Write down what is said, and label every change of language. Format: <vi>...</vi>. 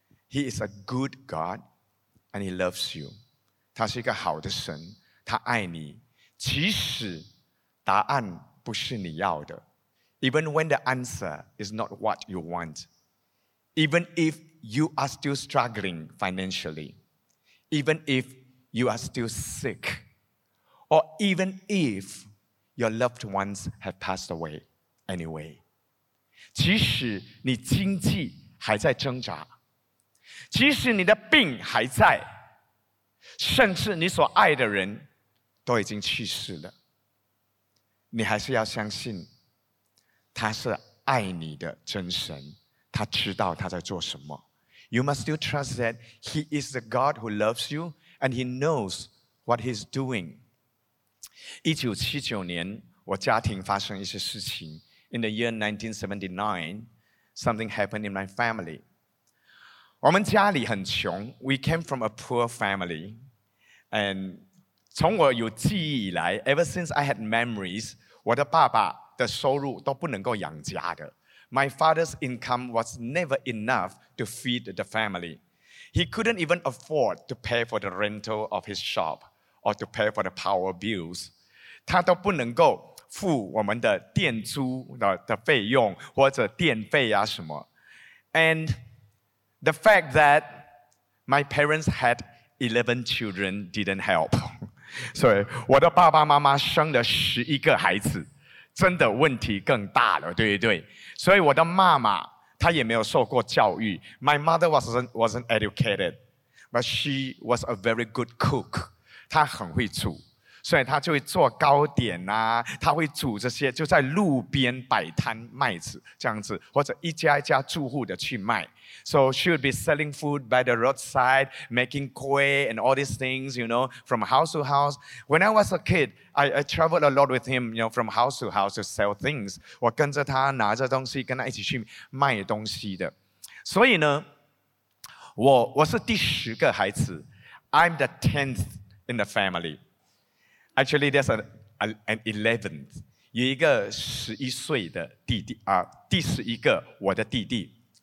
<en>He is a good God and he loves you.</en> <zh>他是一个好的神，他爱你，即使答案不是你要的，</zh> <en>Even when the answer is not what you want, even ifYou are still struggling financially, even if you are still sick, or even if your loved ones have passed away anyway.</en> <zh>即使你经济还在挣扎，即使你的病还在，甚至你所爱的人都已经去世了，你还是要相信他是爱你的真神，他知道他在做什么。</zh> <en>You must still trust that he is the God who loves you and he knows what he's doing.</en> <zh>1979年我家庭发生一些事情。</zh> <en>In the year 1979, something happened in my family.</en> <zh>我们家里很穷。</zh> <en>We came from a poor family.</en> <zh>And 从我有记忆以来 ,</zh> <en>ever since I had memories,</en> <zh>我的爸爸的收入都不能够养家的。</zh> <en>My father's income was never enough to feed the family. He couldn't even afford to pay for the rental of his shop or to pay for the power bills.</en> <zh>他都不能够付我们的电租的费用或者电费啊什么。</zh> <en>And the fact that my parents had 11 children didn't help.</en> <zh>所以我的爸爸妈妈生了11个孩子。真的问题更大了，对不对？所以我的妈妈她也没有受过教育。</zh> <en>My mother wasn't educated, but she was a very good cook.</en> <zh>她很会煮，所以她就会做糕点啊，她会煮这些，就在路边摆摊卖子这样子，或者一家一家住户的去卖。</zh> <en>So she would be selling food by the roadside, making kueh and all these things, you know, from house to house. When I was a kid, I traveled a lot with him, you know, from house to house to sell things.</en> <zh>我跟着他拿着东西，跟他一起去卖东西的。所以呢，我是第十个孩子。</zh> <en>I'm the 10th in the family. Actually, there's an 11th.</en> <zh>有一个11岁的弟弟，第11个我的弟弟。</zh>